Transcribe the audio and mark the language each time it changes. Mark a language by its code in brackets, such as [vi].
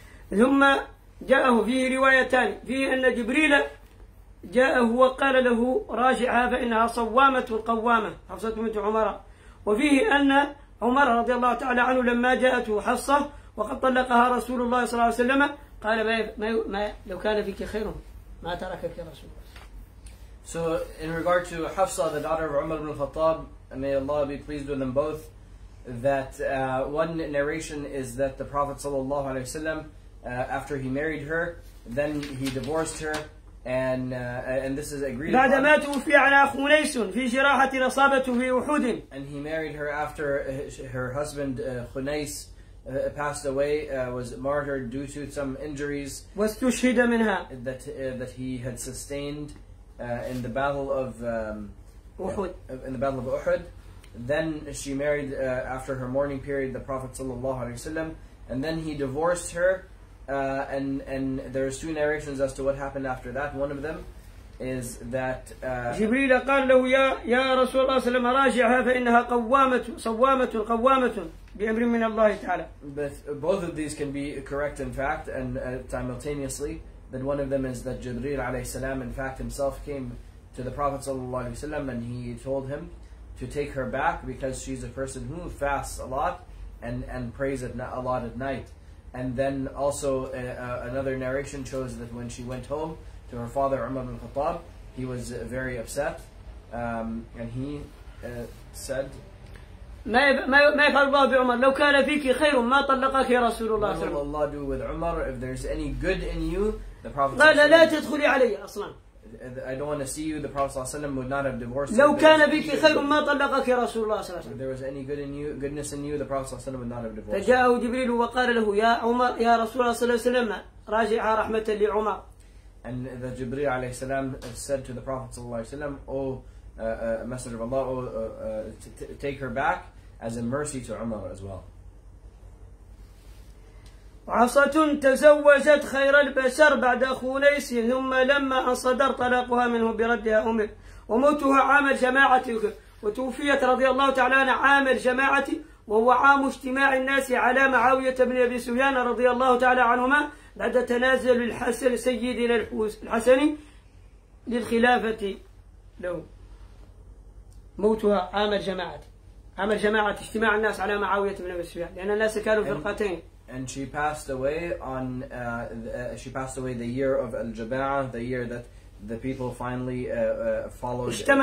[ar] ثم جاءه فيه روايتان فيه أن جبريل جاءه وقال له راجعها فإنها صوامة قوامة حفصة بنت عمر. وفيه أن عمر رضي الله تعالى عنه لما جاءته حفصة وقد طلقها رسول الله صلى الله عليه وسلم قال ما لو كان فيك خير ما تركك رسول الله. [en] So in regard to Hafsa, the daughter of Umar ibn al-Khattab, may Allah be pleased with them both, that one narration is that the Prophet sallallahu alaihi wasallam, after he married her, then he divorced her, and this is agreed [ar] upon. بعد ما توفي على خنيس في جراحة أصابته في أحد. [en] And he married her after her husband Khunais passed away, was martyred due to some injuries. [ar] واستشهد منها. [en] That he had sustained. In the battle of Uhud. In the battle of Uhud, then she married after her mourning period the Prophet sallallahu alaihi wasallam, and then he divorced her, and there is two narrations as to what happened after that. One of them is that [ar] جبريل قال له يا رسول الله صلى الله عليه وسلم راجعها فإنها قوامة بأمر من الله تعالى. [en] But both of these can be correct in fact and simultaneously. That one of them is that Jibril alayhi salam in fact himself came to the Prophet sallallahu alayhi wasallam and he told him to take her back because she's a person who fasts a lot and prays a lot at night. And then also another narration shows that when she went home to her father Umar ibn al-Khattab, he was very upset and he said, [ar] ما يفعل الله بعمر لو كان فيك خير ما طلقك يا رسول الله. [en] What will Allah do with Umar if there's any good in you? The Prophet. [ar] قال لا تدخلي علي أصلا. [en] I don't want to see you. The Prophet صلى الله عليه وسلم would not have divorced. [ar] لو كان فيك خير ما طلقك يا رسول الله. [en] If there was any good in you, goodness in you, the Prophet صلى الله عليه وسلم would not have divorced. [ar] فجاءه جبريل وقال له يا عمر يا رسول الله صلى الله عليه وسلم راجع رحمة لعمر. [en] And the Jibril عليه السلام said to the Prophet صلى الله عليه وسلم, Oh Messenger of Allah, take her back as a mercy to Umar as well. [ar] وحفصة تزوجت خير البشر بعد خنيس ثم لما أنصدر طلاقها منه بردها أمر وموتها عام الجماعة. وتوفيت رضي الله تعالى عنه عام الجماعة وهو عام اجتماع الناس على معاوية بن أبي سفيان رضي الله تعالى عنهما بعد تنازل الحسن سيدنا الحسن للخلافة له موتها عام الجماعة عام الجماعة اجتماع الناس على معاوية بن أبي سفيان لأن الناس كانوا فرقتين. [en] And she passed away on she passed away the year of al-Jama'ah, the year that the people finally followed.